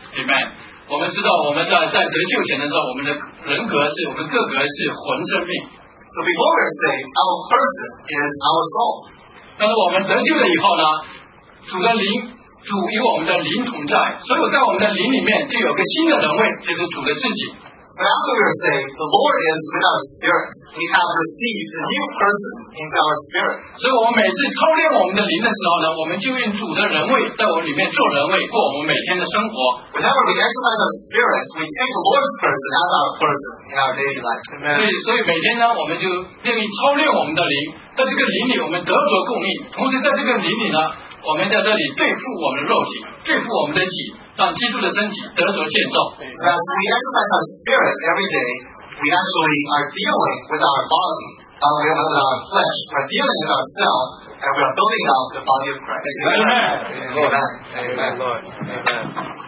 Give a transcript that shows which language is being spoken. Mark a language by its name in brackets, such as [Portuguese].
[English] Amen. [Chinese] 我们知道我们在得救前的时候，我们的人格是我们个格是魂生命。 [English] So before we're saved, our person is our soul. [Chinese] 但是我们得救了以后呢，主的灵，主与我们的灵同在，所以在我们的灵里面就有个新的人位，就是主的自己。 [English] So after we are saved, the Lord is with our spirit. We have received a new person into our spirit. So whenever we exercise our spirit, we take the Lord's person as our person in our daily life. Amen. [Chinese] 所以每天呢，我们就愿意操练我们的灵。在这个灵里我们得着供应，同时在这个灵里呢，我们在这里对付我们的肉体，对付我们的己， [English] as we exercise our spirits every day, we actually are dealing with our body, we are with our flesh, we are dealing with ourselves, and we are building up the body of Christ. Amen. Amen. Amen. Lord. Amen.